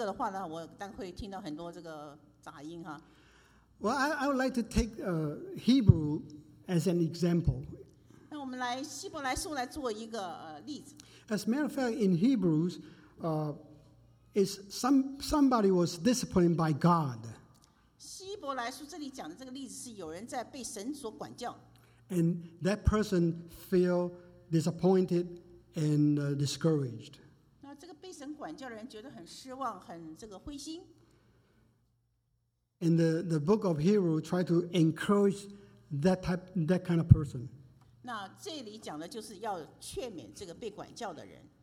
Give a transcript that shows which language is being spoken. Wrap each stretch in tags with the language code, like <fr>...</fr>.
<zh>"如果我到高中课堂上去讲这个的话呢，我大概会听到很多这个杂音哈。"</zh> <en>Well, I would like to take Hebrew as an example.</en> <zh>那我们来希伯来书来做一个,</zh> <en>as a matter of fact, in Hebrews, somebody was disciplined by God.</en> <zh>希伯来书这里讲的这个例子是有人在被神所管教。</zh> <en>And that person feel disappointed and discouraged.</en> <zh>那这个被神管教的人觉得很失望，很这个灰心。</zh> <en>And the book of Hebrews try to encourage that kind of person.</en> <zh>那这里讲的就是要劝勉这个被管教的人。</zh>